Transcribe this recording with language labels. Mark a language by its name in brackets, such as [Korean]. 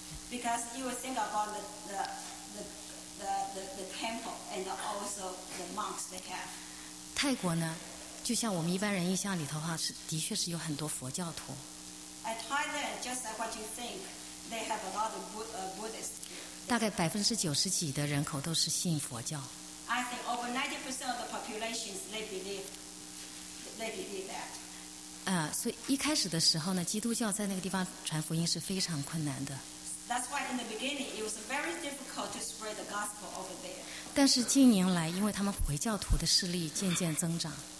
[English] Because you will think about the temple and also the monks they have. [Chinese] 泰国呢？就像我们一般人印象里头的话，是的确是有很多佛教徒。 [English] At Thailand, just like what you think, they have a lot of Buddhists. [Chinese] 大概90%几的人口都是信佛教。 [English] I think over 90% of the populations they believe that. [Chinese] 所以一开始的时候呢，基督教在那个地方传福音是非常困难的。 [English] That's why in the beginning it was very difficult to spread the gospel over there. [Chinese] 但是近年来，因为他们回教徒的势力渐渐增长。